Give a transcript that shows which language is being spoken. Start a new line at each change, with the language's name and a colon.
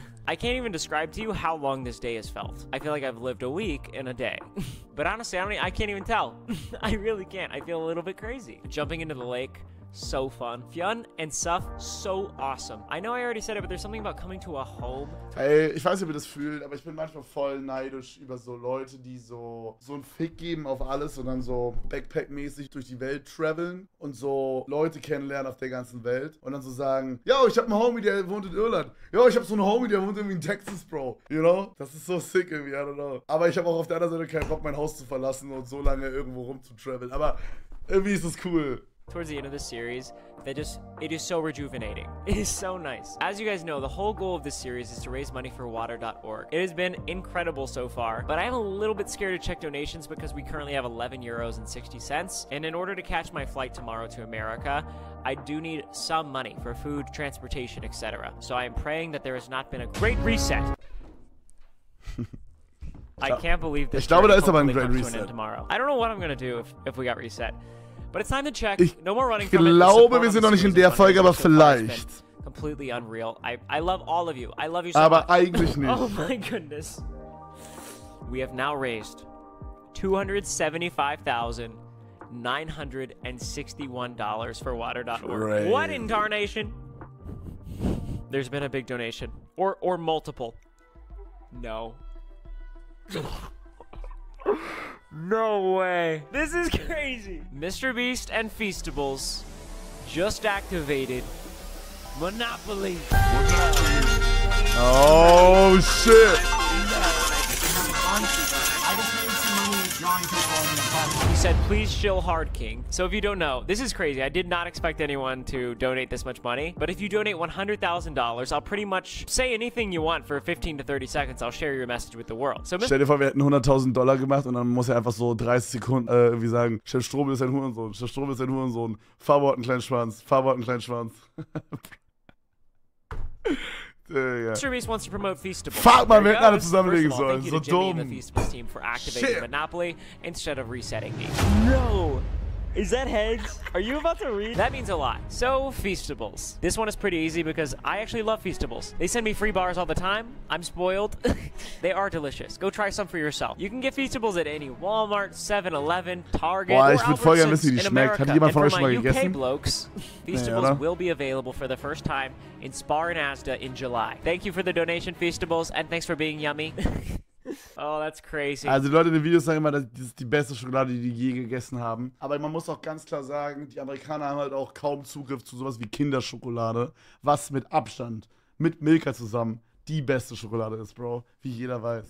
English: I can't even describe to you how long this day has felt. I feel like I've lived a week in a day. But honestly, I can't even tell. I really can't. I feel a little bit crazy. Jumping into the lake, so fun. Fionn and Suf, so awesome. I know I already said it, but there's something about coming to a home.
German: Ey, ich weiß nicht, wie das fühlt, aber ich bin manchmal voll neidisch über so Leute, die so einen Fick geben auf alles und dann so Backpack-mäßig durch die Welt traveln und so Leute kennenlernen auf der ganzen Welt und dann so sagen, yo, ich hab einen Homie, der wohnt in Irland. Yo, ich hab so einen Homie, der wohnt irgendwie in Texas, Bro.
English: You know?
German: Das ist so sick irgendwie,
English: I don't know.
German: Aber ich hab auch auf der anderen Seite keinen Bock, mein Haus zu verlassen und so lange irgendwo rum zu traveln. Aber irgendwie ist es cool.
English: Towards the end of the series, it is so rejuvenating. It is so nice. As you guys know, the whole goal of this series is to raise money for water.org. It has been incredible so far, but I am a little bit scared to check donations because we currently have 11 euros and 60 cents. And in order to catch my flight tomorrow to America, I do need some money for food, transportation, etc. So I am praying that there has not been a great reset. I can't believe this journey hopefully comes to an end tomorrow. I don't know what I'm gonna do if we got reset. But it's time to check. No more running.
German: Ich glaube, wir sind noch nicht in der Folge, aber vielleicht.
English: Completely unreal. I love all of you. I love you so
German: aber
English: much.
German: Aber eigentlich nicht.
English: Oh my goodness. We have now raised $275,961 for water.org. Crazy. What in tarnation? There's been a big donation. Or multiple. No. No way. This is crazy. Mr. Beast and Feastables just activated Monopoly. Oh, shit. He said, please chill hard, King. So if you don't know, this is crazy. I did not expect anyone to donate this much money. But if you donate $100,000, I'll pretty much say anything you want for 15 to 30 seconds. I'll share your message with the world. So
German: stell dir vor, wir hätten $100,000 gemacht und dann muss er einfach so 30 Sekunden irgendwie sagen, Chef Strobel ist ein Hurensohn, Chef Strobel ist ein Hurensohn. Fahrwort ein Kleinschwanz, Fahrwort ein Kleinschwanz.
English: Yeah. Mr. Beast wants to promote Feastables. Fuck, my man,
German: alle zusammenlegen sollen.
English: First of all, Jimmy and the Feastables team for activating Monopoly instead of resetting me. No! Is that heads? Are you about to read? That means a lot. So, Feastables. This one is pretty easy because I actually love Feastables. They send me free bars all the time. I'm spoiled. They are delicious. Go try some for yourself. You can get Feastables at any Walmart, 7-Eleven, Target,
German: boah,
English: or
German: ich würde voll gerne wissen, wie die schmeckt. Hat jemand von euch schon mal gegessen?
English: UK blokes, Feastables nee, will be available for the first time in Spar and Asda in July. Thank you for the donation, Feastables, and thanks for being yummy. Oh, that's crazy.
German: Also die Leute in den Videos sagen immer, das ist die beste Schokolade, die die je gegessen haben. Aber man muss auch ganz klar sagen, die Amerikaner haben halt auch kaum Zugriff zu sowas wie Kinderschokolade, was mit Abstand, mit Milka zusammen, die beste Schokolade ist, Bro, wie jeder weiß.